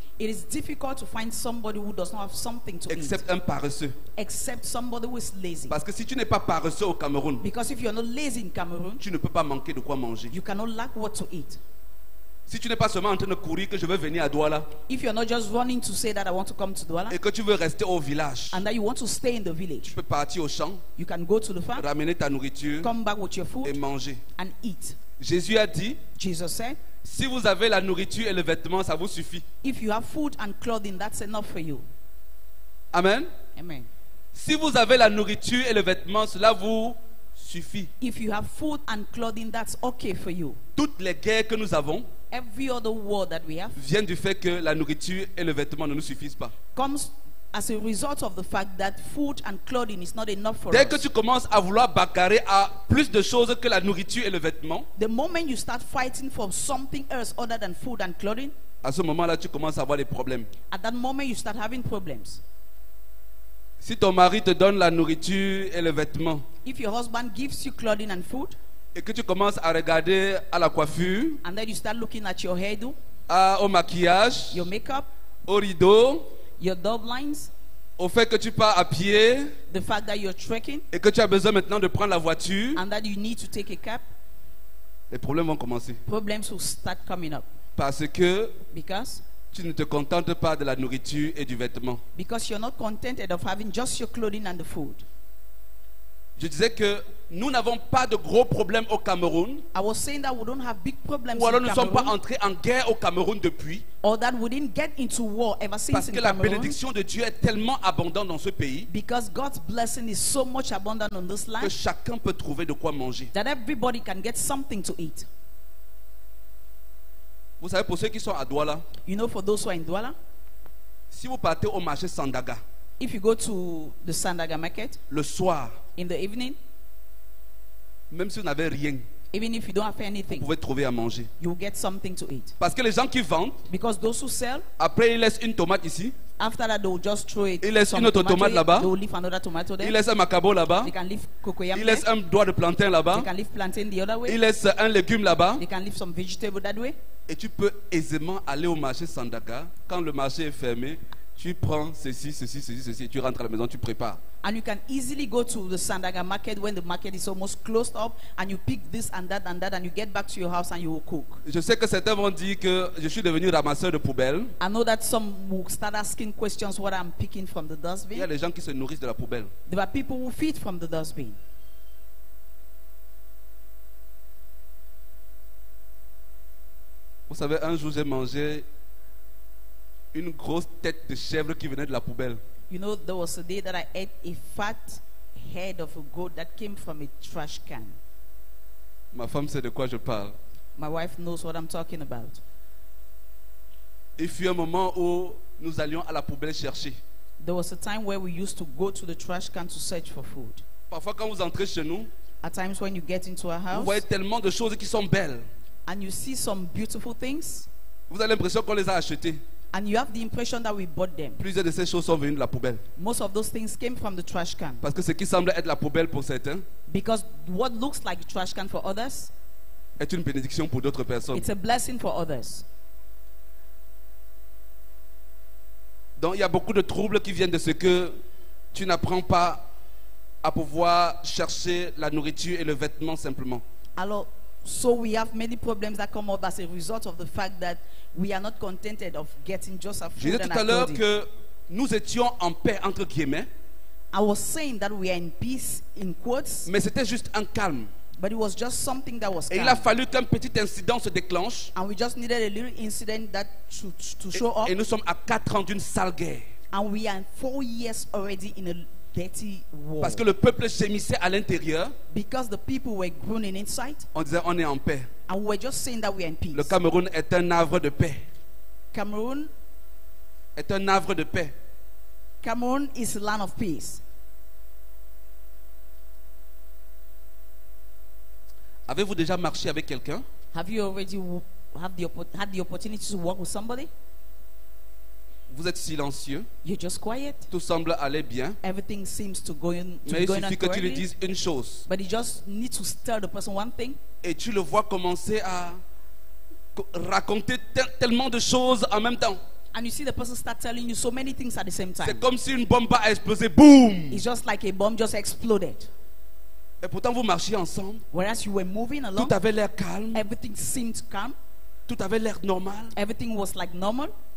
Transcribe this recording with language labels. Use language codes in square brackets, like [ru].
[en] It is difficult to find somebody who does not have something to except eat. Except [fr] un paresseux. [en] Except somebody who is lazy. [fr] Parce que si tu n'es pas paresseux au Cameroun, [en] because if you are not lazy in Cameroon, [fr] tu ne peux pas manquer de quoi manger. [en] You cannot lack what to eat. [fr] Si tu n'es pas seulement en train de courir que je veux venir à Douala, [en] if you are not just running to say that I want to come to Douala, [fr] et que tu veux rester au village, [en] and that you want to stay in the village, [fr] tu peux partir au champ, [en] you can go to the farm, [fr] ramener ta nourriture, [en] come back with your food, [fr] et manger, [en] and eat. [fr] Jésus a dit, [en] Jesus said, [fr] si vous avez la nourriture et le vêtement, ça vous suffit. [en] If you have food and clothing, that's enough for you. [fr] Amen. [en] Amen. [fr] Si vous avez la nourriture et le vêtement, cela vous suffit. [en] If you have food and clothing, that's okay for you. [fr] Toutes les guerres que nous avons, [en] every other war that we have, [fr] viennent du fait que la nourriture et le vêtement ne nous suffisent pas. [en] Comes as a result of the fact that food and clothing is not enough for [fr] dès [en] us. [fr] Dès que tu commences à vouloir bagarrer à plus de choses que la nourriture et le vêtement, [en] the moment you start fighting for something else other than food and clothing, [fr] à ce moment-là, tu commences à avoir des problèmes. [en] At that moment, you start having problems. [fr] Si ton mari te donne la nourriture et le vêtement, [en] if your husband gives you clothing and food, [fr] et que tu commences à regarder à la coiffure, [en] and then you start looking at your hairdo, [fr] au maquillage, [en] your makeup, [fr] au rideau, [en] your double lines, [fr] au fait que tu pars à pied, [en] the fact that you're trekking, [fr] et que tu as besoin maintenant de prendre la voiture, [en] and that you need to take a cab, [fr] les problèmes vont commencer. [en] Problems will start coming up. [fr] Parce que [en] because [fr] tu ne te contentes pas de la nourriture et du vêtement. [en] Because you're not contented of having just your clothing and the food. [fr] Je disais que nous n'avons pas de gros problèmes au Cameroun. [en] I was saying that we don't have big problems. [fr] Ou alors nous ne sommes pas entrés en guerre au Cameroun depuis. [en] Or that we didn't get into war ever since. [fr] Parce que la bénédiction de Dieu est tellement abondante dans ce pays. [en] Because God's blessing is so much abundant on this land. [fr] Que chacun peut trouver de quoi manger. [en] That everybody can get something to eat. [fr] Vous savez, pour ceux qui sont à Douala, [en] you know, for those who are in Douala, [fr] si vous partez au marché Sandaga, [en] if you go to the Sandaga market, [fr] le soir, [en] in the evening, [fr] même si vous n'avez rien, [en] even if you don't have anything, [fr] vous pouvez trouver à manger. [en] You will get something to eat. [fr] Parce que les gens qui vendent, [en] because those who sell, [fr] après ils laissent une tomate ici, [en] after that they will just throw it. [fr] Ils laissent une autre tomate là-bas. [en] They will leave another tomato there. [fr] Ils laissent un macabo là-bas. [en] They can leave cocoyam. [fr] Ils laissent un doigt de plantain là-bas. [en] They can leave plantain the other way. [fr] Ils laissent un légume là-bas. [en] They can leave some vegetable that way. [fr] Et tu peux aisément aller au marché Sandaga quand le marché est fermé. Tu prends ceci, ceci, ceci, ceci, et tu rentres à la maison, tu prépares. [en] And you can easily go to the Sandaga market when the market is almost closed up, and you pick this and that, and you get back to your house and you will cook. [fr] Je sais que certains vont dire que je suis devenu ramasseur de poubelles. [en] I know that some will start asking questions what I'm picking from the dustbin. [fr] Il y a des gens qui se nourrissent de la poubelle. [en] There are people who feed from the dustbin. [fr] Vous savez, un jour j'ai mangé une grosse tête de chèvre qui venait de la poubelle. [en] You know, there was a day that I ate a fat head of a goat that came from a trash can. [fr] Ma femme sait de quoi je parle. [en] My wife knows what I'm talking about. [fr] Il fut un moment où nous allions à la poubelle chercher. [en] There was a time where we used to go to the trash can to search for food. [fr] Parfois, quand vous entrez chez nous, [en] at times when you get into our house, [fr] vous voyez tellement de choses qui sont belles. [en] And you see some beautiful things. [fr] Vous avez l'impression qu'on les a achetées. [en] And you have the impression that we bought them. [fr] Plusieurs de ces choses sont venues de la poubelle. [en] Most of those things came from the trash can. [fr] Parce que ce qui semble être la poubelle pour certains, [en] because what looks like a trash can for others, [fr] est une bénédiction pour d'autres personnes. [en] It's a blessing for others. [fr] Donc il y a beaucoup de troubles qui viennent de ce que tu n'apprends pas à pouvoir chercher la nourriture et le vêtement simplement. Alors, [en] so we have many problems that come up as a result of the fact that we are not contented of getting just a food. [fr] J'ai dit tout à l'heure que nous étions en paix entre guillemets. [en] I was saying that we are in peace in quotes. [fr] Mais c'était juste un calme. [en] But it was just something that was [fr] et il a fallu qu'un petit incident se déclenche. [en] And we just needed a little incident that to show [fr] et, [en] up. [fr] Et nous sommes à 4 ans d'une sale guerre. [en] And we are 4 years already in a dirty war. [fr] Parce que le peuple gémissait à l'intérieur. [en] Because the people were groaning inside. [fr] On disait on est en paix. [en] And we were just saying that we are in peace. [fr] Le Cameroun est un havre de paix. [en] Cameroon [fr] est un havre de paix. [en] Cameroon is a land of peace. [fr] Avez-vous déjà marché avec quelqu'un? [en] Have you already had the opportunity to walk with somebody? [fr] Vous êtes silencieux. [en] You're just quiet. [fr] Tout semble aller bien. [en] Everything seems to go in. [fr] Mais il suffit que tu lui dises une chose. [en] But you just need to tell the person one thing. [fr] Et tu le vois commencer à raconter tellement de choses en même temps. [en] And you see the person start telling you so many things at the same time. [fr] C'est comme si une bombe a explosé. Boom. [en] It's just like a bomb just exploded. [fr] Et pourtant vous marchiez ensemble. [en] Whereas you were moving along. [fr] Tout avait l'air calme. [en] Everything seemed calm. [fr] Tout avait l'air normal. [en] Everything was like normal.